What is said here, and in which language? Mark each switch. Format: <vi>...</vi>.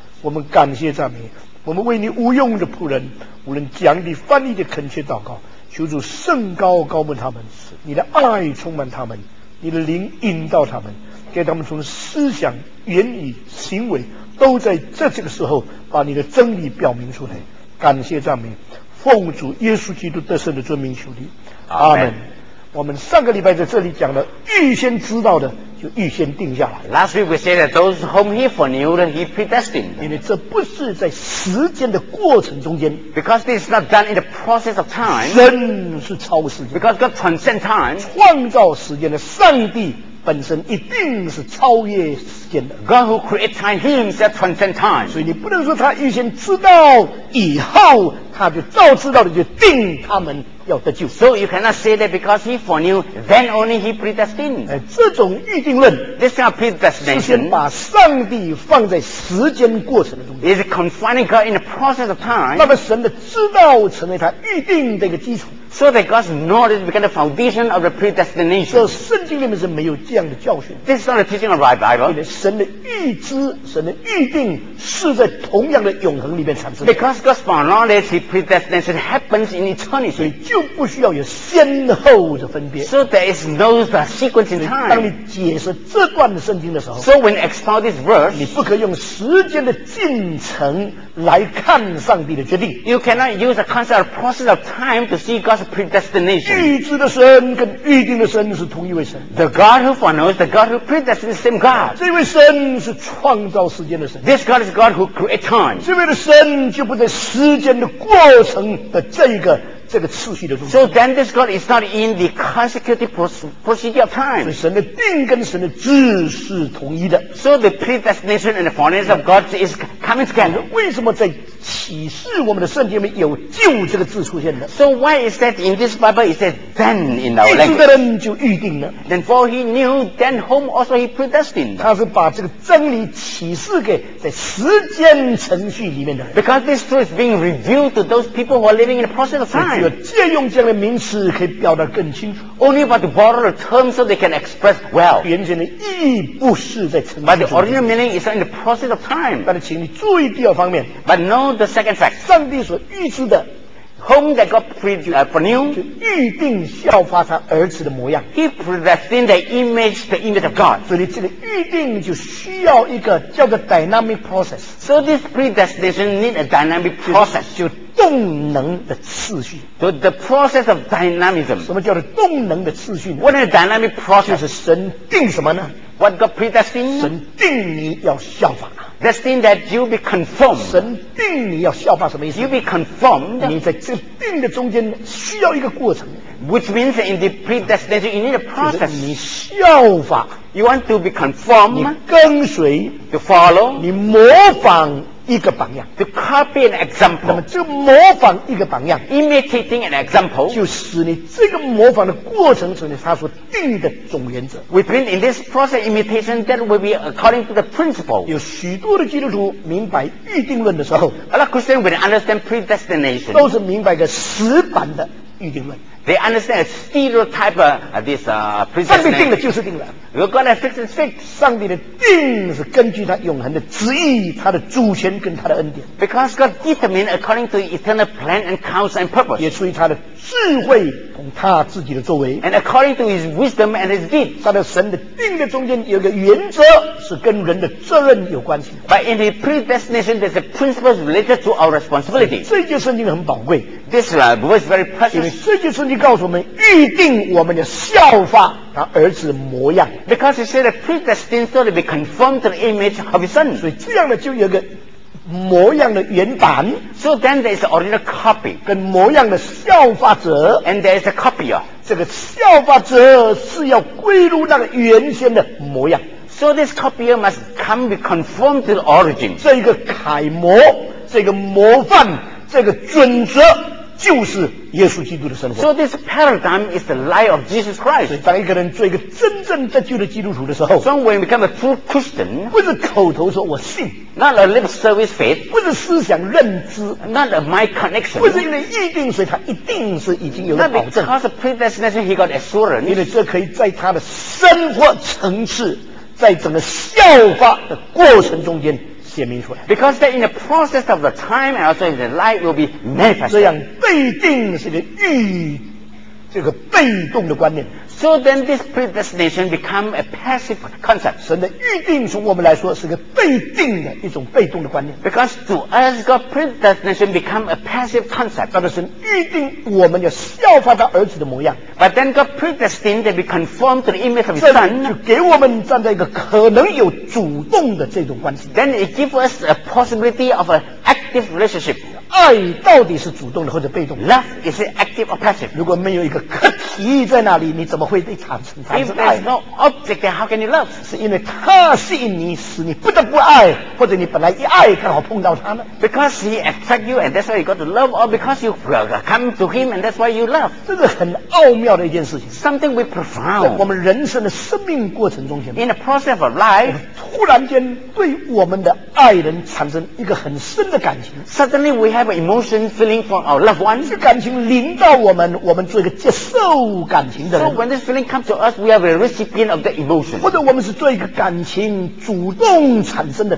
<zh>我们感谢赞美，我们为你无用的仆人，无论讲理翻译的恳切祷告，求主圣高高牧他们，你的爱充满他们，你的灵引导他们，给他们从思想言语行为都在这个时候把你的真理表明出来。感谢赞美，奉主耶稣基督得胜的尊名求你，阿门。我们上个礼拜在这里讲了，预先知道的就预先定下来。</zh> <en>Last week we said that those whom he foreknew he predestined.</en> <zh>因为这不是在时间的过程中间。</zh> <en>Because this is not done in the process of time.</en> <zh>神是超时间。</zh> <en>Because God transcends time.</en> <zh>创造时间的上帝本身一定是超越时间的。</zh> <en>God who created time, he himself transcends time.</en> <zh>所以你不能说他预先知道以后他就照知道的就定他们要得救。</zh> <en>So you cannot say that because he foreknew, then only he predestined.</en> <zh>这种预定论</zh> <en>This kind of predestination</en> <zh>是先把上帝放在时间过程的中间。</zh> <en>Is confining God in the process of time.</en> <zh>那么神的知道成为他预定的一个基础。</zh> <en>So that God's knowledge became the foundation of the predestination.</en> <zh>这圣经里面是没有这样的教训。</zh> <en>This is not the teaching of the Bible.</en> <zh>因为神的预知，神的预定是在同样的永恒里面产生的。</zh> <en>Because God's foreknowledge, his predestination happens in eternity.</en> <zh>就不需要有先后的分别。</zh> <en>So there is no sequence in time.</en> <zh>当你解释这段圣经的时候，</zh> <en>So when you expound this verse,</en> <zh>你不可以用时间的进程来看上帝的决定。</zh> <en>You cannot use the concept of process of time to see God's predestination.</en> <zh>预知的神跟预定的神是同一位神。</zh> <en>The God who foreknows, the God who predestines is the same God.</en> <zh>这位神是创造时间的神。</zh> <en>This God is God who creates time.</en> <zh>这位的神就不在时间的过程的这一个这个次序的中。</zh> <en>So then this God is not in the consecutive procedure of time.</en> <zh>所以神的定跟神的旨是同一的。</zh> <en>So the predestination and the foreknowledge of God is coming together.</en> <zh>为什么在启示我们的圣经里面有就这个字出现的？</zh> <en>So why is that in this Bible it says then in our language?</en> <zh>预知的人就预定了。</zh> <en>Then for he knew then whom also he predestined.</en> <zh>他是把这个真理启示给在时间程序里面的人。</zh> <en>Because this truth is being revealed to those people who are living in the process of time.</en> <zh>只有借用这样的名词可以表达更清楚。</zh> <en>Only by the borrow the term so they can express well.</en> <zh>原先的意义不是在程序。</zh> <en>But the original meaning is in the process of time.</en> <zh>但是请你注意第二方面。</zh> <en>But no the second fact.</en> <zh>上帝所预知的</zh> <en>whom that God foreknew</en> <zh>就预定效法他儿子的模样。</zh> <en>He predestined the image of God.</en> <zh>所以这个预定就需要一个叫做</zh> <en>dynamic process. So this predestination need a dynamic process.</en> <zh>就动能的次序。</zh> <en>So the process of dynamism.</en> <zh>什么叫做动能的次序呢？</zh> <en>What is dynamic process?</en> <zh>就是神定什么呢？</zh> <en>What God predestined?</en> <zh>神定你要效法。</zh> <en>Destined that you be conformed.</en> <zh>神定你要效法什么意思？</zh> <en>You be conformed.</en> <zh>你在这个定的中间需要一个过程。</zh> <en>Which means in the predestination, you need a process.</en> <zh>就是你效法。</zh> <en>You want to be conformed.</en> <zh>你跟随。</zh> <en>To follow.</en> <zh>你模仿。一个榜样</zh> <en>to copy an example</en> <zh>那么这模仿一个榜样</zh> <en>imitating an example</en> <zh>就使你这个模仿的过程使你他所定的总原则</zh> <en>within in this process imitation that will be according to the principle</en> <zh>有许多的基督徒明白预定论的时候</zh> <en>a lot of Christians will understand predestination</en> <zh>都是明白个死板的预定论</zh> <en>they understand a stereotype of this predestination</en> <zh>上帝定了就是定了</zh> <en>We're gonna fix and fix.</en> <zh>上帝的定是根据他永恒的旨意他的主权跟他的恩典</zh> <en>Because God determined according to eternal plan and counsel and purpose</en> <zh>也出于他的智慧同他自己的作为</zh> <en>And according to his wisdom and his deed</en> <zh>他的神的定的中间有个原则是跟人的责任有关系</zh> <en>But in his predestination there's a principle related to our responsibility</en> <zh>这句圣经很宝贵</zh> <en>This verse is very precious</en> <zh>因为这句圣经告诉我们预定我们的效法他儿子的模样</zh> <en>Because he said that predestined so to be conformed to the image of his son</en> <zh>所以这样的就有个模样的原版</zh> <en>So then there is an original copy</en> <zh>跟模样的效法者</zh> <en>And there is a copier</en> <zh>这个效法者是要归入那个原先的模样</zh> <en>So this copier must come be conformed to the origin</en> <zh>这一个楷模这个模范这个准则就是耶稣基督的生活</zh> <en>So this paradigm is the life of Jesus Christ</en> <zh>所以当一个人做一个真正得救的基督徒的时候</zh> <en>So when we become a true Christian</en> <zh>不是口头说我信</zh> <en>Not a lip service faith</en> <zh>不是思想认知</zh> <en>Not a mind connection</en> <zh>不是因为预定所以他一定是已经有了保证</zh> <en>Not because of predestination he got assurance</en> <zh>因为这可以在他的生活层次在整个效法的过程中间</zh> <en>Because that in the process of the time and also in the light will be manifested.</en> <zh>这样被定是个预，这个被动的观念。</zh> <en>So then this predestination become a passive concept.</en> <zh>神的预定从我们来说是个被定的一种被动的观念。</zh> <en>Because to us, God predestination become a passive concept.</en> <zh>但是神预定我们要效法他儿子的模样。</zh> <en>But then God predestined to be conformed to the image of His Son.</en> <zh>就给我们站在一个可能有主动的这种关系。</zh> <en>Then it gives us a possibility of an active relationship.</en> <zh>爱到底是主动的或者被动的</zh> <en>？Love is it active or passive.</en> <zh>如果没有一个课题在那里，你怎么会对产生爱</zh> <en>？If there's no object, then how can you love?</en> <zh>是因为他吸引你，使你不得不爱，或者你本来一爱刚好碰到他呢</zh> <en>？Because he attract you, and that's why you got to love, or because you come to him, and that's why you love.</en> <zh>这是很奥妙的一件事情。</zh> <en>Something we profound.</en> <zh>在我们人生的生命过程中间</zh> <en>，in the process of life，</en> <zh>突然间对我们的爱人产生一个很深的感情。</zh> <en>Suddenly we have emotion feeling for our loved one</en> <zh>这感情临到我们我们做一个接受感情的人</zh> <en>So when this feeling comes to us we are a recipient of the emotion</en> <zh>或者我们是做一个感情主动产生的</zh>